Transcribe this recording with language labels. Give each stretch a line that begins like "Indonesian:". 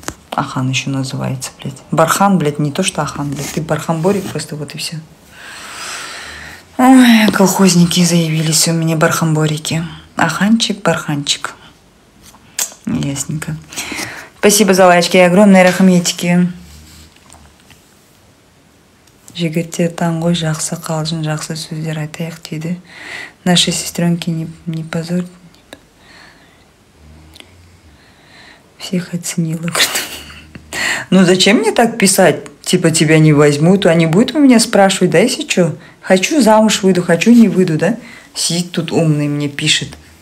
Russian: Ахан еще называется, блядь. Бархан, блядь, не то что Ахан, блядь. Ты бархамборик просто, вот и все. Ой, колхозники заявились у меня, бархамборики. Аханчик, барханчик. Ясненько. Спасибо за лайки и огромные рахметики.
Kazakh: Жигиттер танго жақсы қалжын, жақсы сөздер айтайық дейді.
Russian: Наши сестренки не позор. Всех оценила, говорит. Ну зачем мне так писать? Типа тебя не возьмут, а не будут у меня спрашивать, да если что? Хочу замуж выйду, хочу не выйду, да? Сидит тут умный мне пишет.